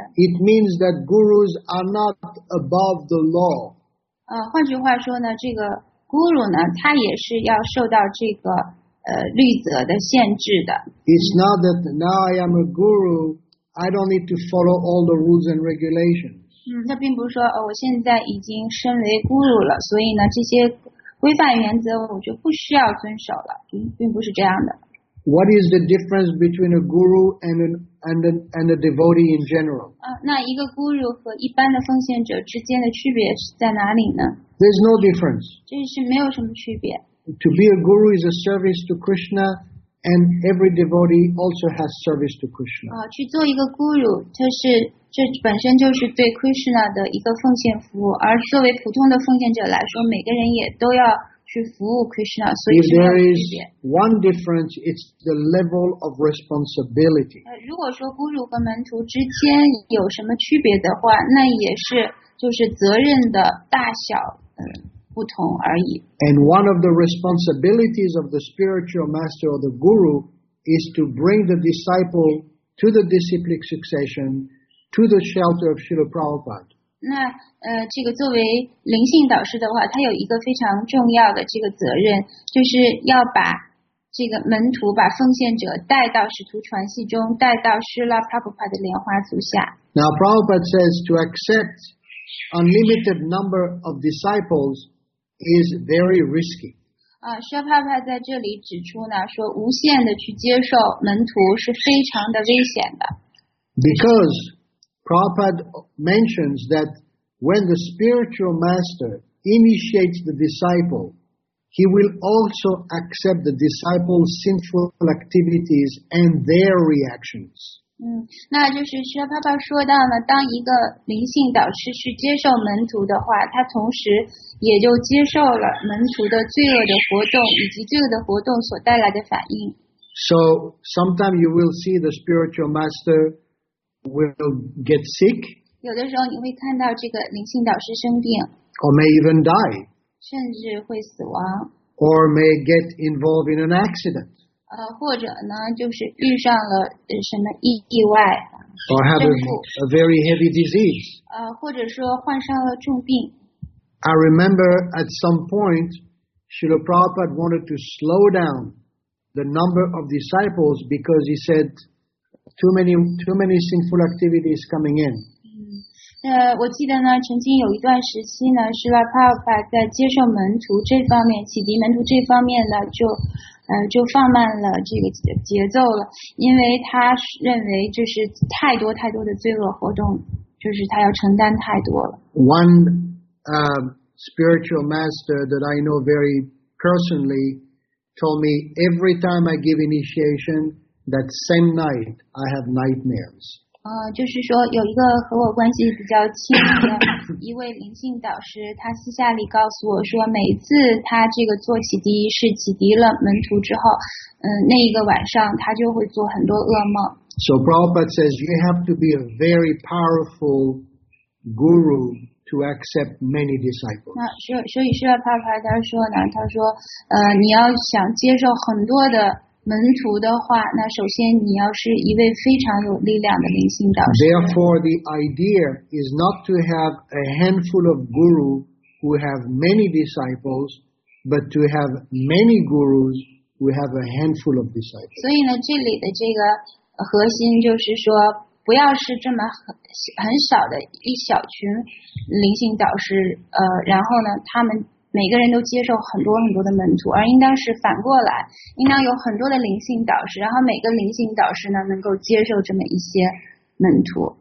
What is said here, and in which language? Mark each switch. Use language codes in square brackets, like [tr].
[en] So it means that gurus are not above the law. [zh] 换句话说呢，这个Guru 呢，他也是要受到这个律则的限制的。 [en] It's not that now I am a guru, I don't need to follow all the rules and regulations. [zh] 他并不是说我现在已经身为 guru 了，所以呢，这些规范原则我就不需要遵守了，并不是这样的。 [en] What is the difference between a guru and a devotee in general? [zh] 那一个 guru 和一般的奉献者之间的区别是在哪里呢？ [en] There's no difference. [zh] 这是没有什么区别。 [en] To be a guru is a service to Krishna, and every devotee also has service to Krishna. [zh] 去做一个 guru, 这本身就是对 Krishna 的一个奉献服务。而作为普通的奉献者来说，每个人也都要去服务 Krishna, 所以是没有区别。 [en] If there is one difference, it's the level of responsibility. [zh] 如果说 guru 和门徒之间有什么区别的话，那也是。就是责任的大小不同而已。 [en] And one of the responsibilities of the spiritual master or the guru is to bring the disciple to the disciplic succession, to the shelter of Srila Prabhupada. [zh] 那这个作为灵性导师的话，他有一个非常重要的这个责任，就是要把这个门徒把奉献者带到使徒传系中，带到 Srila Prabhupada 的莲花足下。 [en] Now Prabhupada says to accept unlimited number of disciples is very risky. [zh] Srila Prabhupada 在这里指出呢，说无限的去接受门徒是非常的危险的。 [en] Because Prabhupada mentions that when the spiritual master initiates the disciple, he will also accept the disciple's sinful activities and their reactions. [zh] 那就是释迦牟尼佛说到呢，当一个灵性导师去接受门徒的话，他同时也就接受了门徒的罪恶的活动以及罪恶的活动所带来的反应。 [en] So sometimes you will see the spiritual master will get sick. [zh] 有的时候你会看到这个灵性导师生病。 [en] Or may even die. [zh] 甚至会死亡。 [en] Or may get involved in an accident. [zh] 或者呢，就是遇上了什么意外 [en] ，or have a very heavy disease. [zh] 或者说患上了重病。 [en] I remember at some point, Srila Prabhupada wanted to slow down the number of disciples because he said too many sinful activities coming in. [zh] 我记得呢，曾经有一段时期呢，Srila Prabhupada在接受门徒这方面、启迪门徒这方面呢，就放慢了这个节奏了，因为他认为就是太多太多的罪恶活动，就是他要承担太多了。 [en] One spiritual master that I know very personally told me every time I give initiation that same night I have nightmares. [zh] 就是说有一个和我关系比较亲的一位灵性导师，他私下里告诉我说，每次他这个做启迪仪式启迪了门徒之后，那一个晚上他就会做很多噩梦。 [en] So Prabhupada says you have to be a very powerful guru to accept many disciples. [zh] 那所以释迦牟尼佛他说呢，他说你要想接受很多的门徒的话，那首先你要是一位非常有力量的灵性导师。 [en] Therefore, the idea is not to have a handful of guru who have many disciples, but to have many gurus who have a handful of disciples. [zh] 所以呢，这里的这个核心就是说，不要是这么很少的一小群灵性导师，然后呢，他们。每个人都接受很多很多的门徒，而应当是反过来，应当有很多的灵性导师，然后每个灵性导师呢能够接受这么一些门徒。